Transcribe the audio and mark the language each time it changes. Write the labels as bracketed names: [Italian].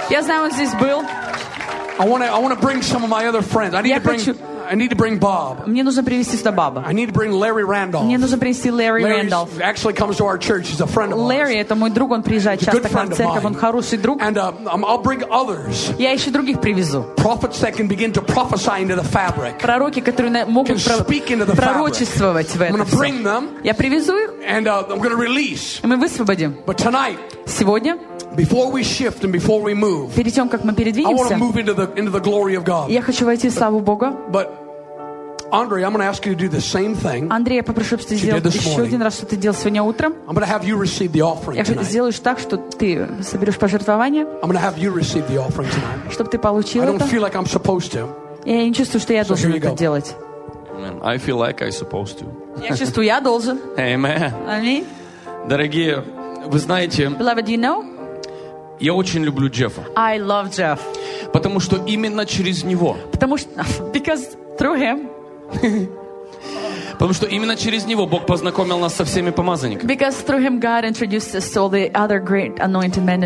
[Russian] Я знаю, он здесь был. [English] I want to bring some of my other friends. I need to bring Bob. [Russian] Мне нужно привести сюда Боба. [English] I need to bring Larry Randolph. [Russian] Мне нужно привести Larry Randolph. [English] Larry actually comes to our church. He's a friend of ours. [Russian] Larry это мой друг, он приезжает часто к нам в церковь. Он хороший друг. [English] And I'll bring others. [Russian] Я еще других привезу. [English] Prophets that can begin to prophesy into the fabric. [Russian] Пророки, которые могут пророчествовать в это. [English] I'm going to bring them. [Russian] Я привезу их. [English] And I'm going to release. [Russian] И мы высвободим. [English] But tonight. [Russian] Сегодня. [English] Before we shift and before we move. [Russian] Перед тем, как мы передвинемся. [English] I want to move into the glory of God. [Russian] Я хочу войти в славу Бога. [English] But Andre, I'm going to ask you to do the same thing. [Russian] Андрей, я попрошу, чтобы ты сделал еще один раз, что ты делал сегодня утром. [English] I'm going to have you receive the offering tonight. [Russian] Я сделаю так, что ты соберешь пожертвование. [English] I'm going to have you receive the offering tonight. [Russian] Чтобы ты получил это. [English] I don't feel like I'm supposed to. [Russian] Я не чувствую, что я должен это делать. [English] Amen. I feel like I'm supposed to. [Russian] Я чувствую, я должен. [English] Amen. [Russian] Аминь. Дорогие, вы знаете. [English] Beloved, you know. [Russian] Я очень люблю Джеффа. [English] I love Jeff. [Russian] Потому что именно через него. Потому что [English] because through him. [Russian] Потому что именно через него Бог познакомил нас со всеми помазанниками. [English] Because through him God introduced us to all the other great anointed men and